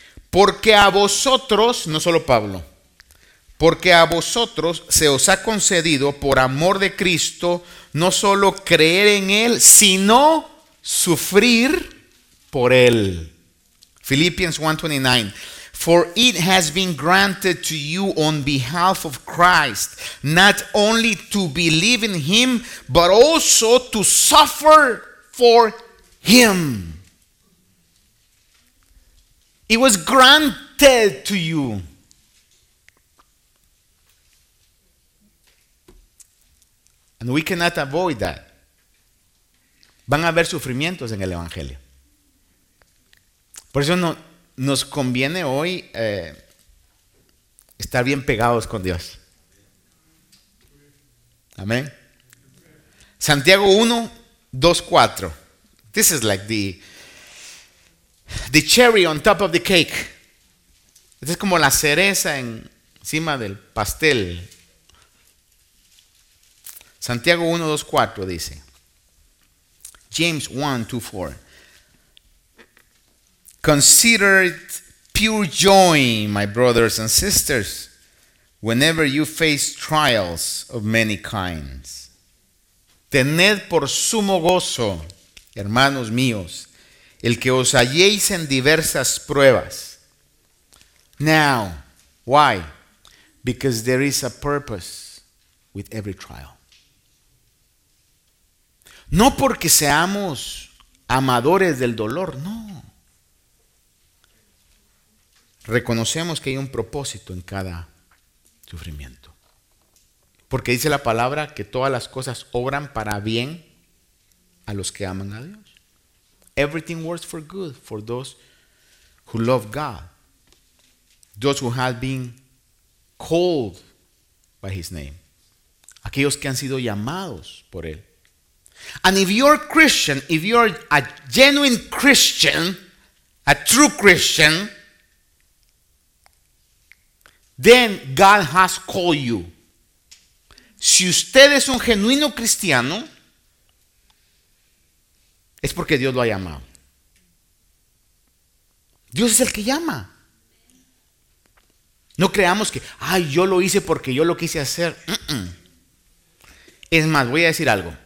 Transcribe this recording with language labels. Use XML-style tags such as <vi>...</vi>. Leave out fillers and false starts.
<es>Porque a vosotros, no solo Pablo, porque a vosotros se os ha concedido por amor de Cristo no solo creer en Él, sino sufrir por Él. Filipenses 1:29.</es> <en>For it has been granted to you on behalf of Christ, not only to believe in Him, but also to suffer for Him. It was granted to you. And we cannot avoid that.</en> <es>Van a haber sufrimientos en el Evangelio. Por eso nos conviene hoy estar bien pegados con Dios. Amén. Santiago 1:2-4.</es> <en>This is like the cherry on top of the cake.</en> <es>Esta es como la cereza encima del pastel. Santiago 1:2-4 dice. James 1:2-4.</es> <en>Consider it pure joy, my brothers and sisters, whenever you face trials of many kinds.</en> <es>Tened por sumo gozo, hermanos míos, el que os halléis en diversas pruebas.</es> <en>Now, why? Because there is a purpose with every trial.</en> <es>No porque seamos amadores del dolor, no. Reconocemos que hay un propósito en cada sufrimiento. Porque dice la palabra que todas las cosas obran para bien a los que aman a Dios.</es> <en>Everything works for good for those who love God. Those who have been called by His name.</en> <es>Aquellos que han sido llamados por Él.</es> <en>And if you're a Christian, if you're a genuine Christian, a true Christian, then God has called you.</en> <es>Si usted es un genuino cristiano, es porque Dios lo ha llamado. Dios es el que llama. No creamos que, ay, yo lo hice porque yo lo quise hacer. Es más, voy a decir algo.</es>